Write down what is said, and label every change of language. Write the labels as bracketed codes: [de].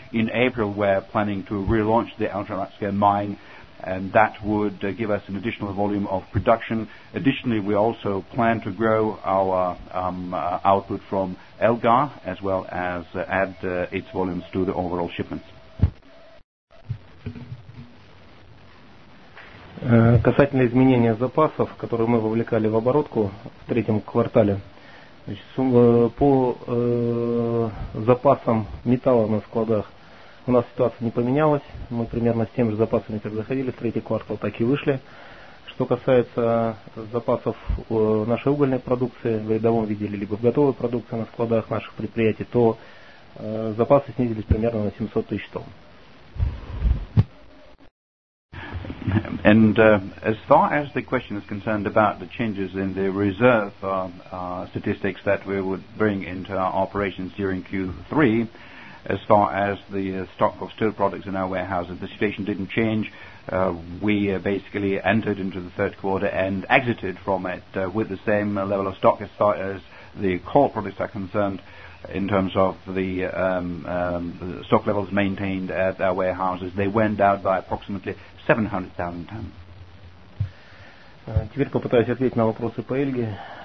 [en] In April, we're planning to relaunch the Altrarutska mine, and that would give us an additional volume of production. Additionally, we also plan to grow our output from Elgar, as well as add its volumes to the overall shipments. [ru] Касательно изменения запасов, которые мы вовлекали в оборотку в третьем квартале, значит, по запасам металла на складах у нас ситуация не поменялась. Мы примерно с теми же запасами, как заходили в третий квартал, так и вышли. Что касается запасов нашей угольной продукции в рядовом виде, либо в готовой продукции на складах наших предприятий, то запасы снизились примерно на 700 тысяч тонн. [en] And as far as the question is concerned about the changes in the reserve statistics that we would bring into our operations during Q3, as far as the stock of steel products in our warehouses, the situation didn't change. We basically entered into the third quarter and exited from it with the same level of stock as far as the coal products are concerned, in terms of the stock levels maintained at our warehouses. They went down by approximately 700,000 tons. [ru] Теперь попытаюсь ответить на вопросы по Эльге.